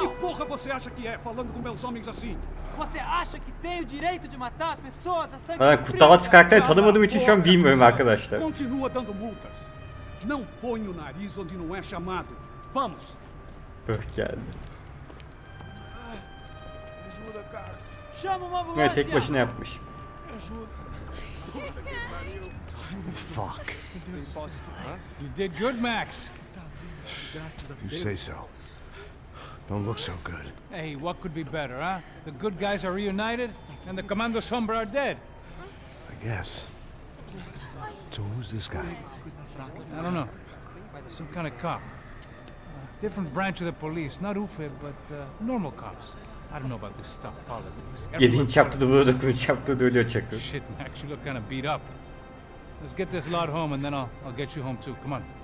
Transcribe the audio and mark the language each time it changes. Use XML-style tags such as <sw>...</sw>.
<pt>Que porra você acha que é falando com meus homens assim? Você acha que tem o direito de matar as pessoas a sangue frio?</pt> <tr>Kurtlar karakterini tanımadığım için şu an bilmiyorum arkadaşlar.</tr> <pt>Continua dando multas. Não põe o nariz onde não é chamado. Vamos. Por que? Ajuda, cara. Chama uma ambulância.</pt> <tr>Tek başına yapmış.</tr> <pt>Ajuda. Fuck.</pt> <en>You did good, Max. You say so. Don't look so good. Hey, what could be better, huh? The good guys are reunited, and the Commando Sombra are dead. I guess. So who's this guy? I don't know. Some kind of cop. Different branch of the police. Not UFE, but normal cops. I don't know about this stuff, politics.</en> <tr>Yedinci çaptı bu, dokuzuncu çaptı da ölüyor çakır.</tr> <en>Shit, Max, you look kind of beat up. Let's get this lot home, and then I'll get you home too. Come on.</en>